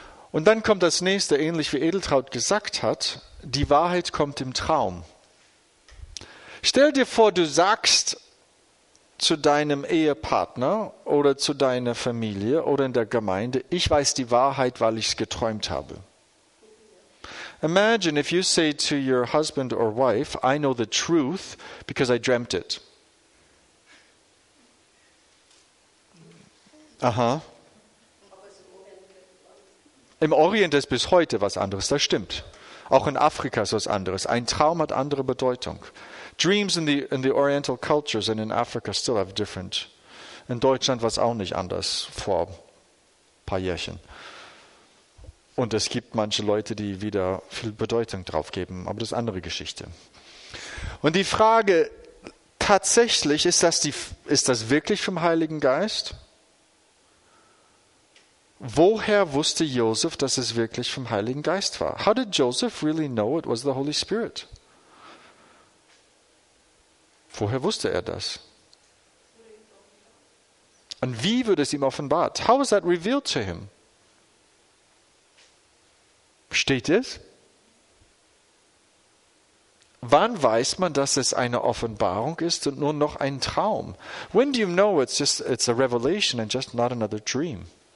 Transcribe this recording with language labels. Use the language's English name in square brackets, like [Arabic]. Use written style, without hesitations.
[German] Und dann kommt das Nächste, ähnlich wie Edeltraut gesagt hat, die Wahrheit kommt im Traum. Stell dir vor, du sagst zu deinem Ehepartner oder zu deiner Familie oder in der Gemeinde, ich weiß die Wahrheit, weil ich es geträumt habe. [English] Imagine if you say to your husband or wife, I know the truth because I dreamt it. Aha. [German] Im Orient ist bis heute was anderes, das stimmt. Auch in Afrika ist was anderes. Ein Traum hat andere Bedeutung. [English] Dreams in the Oriental cultures and in Africa still have different. [German] In Deutschland war es auch nicht anders vor ein paar Jährchen. Und es gibt manche Leute, die wieder viel Bedeutung drauf geben, aber das ist eine andere Geschichte. Und die Frage tatsächlich, ist das wirklich vom Heiligen Geist? Woher wusste Josef, dass es wirklich vom Heiligen Geist war? [English] How did Joseph really know it was the Holy Spirit? [German] Woher wusste er das? Und wie wurde es ihm offenbart? [English] How was that revealed to him? [German] Steht es? Wann weiß man, dass es eine Offenbarung ist und nur noch ein Traum? [English] When do you know it's a revelation and just not another dream?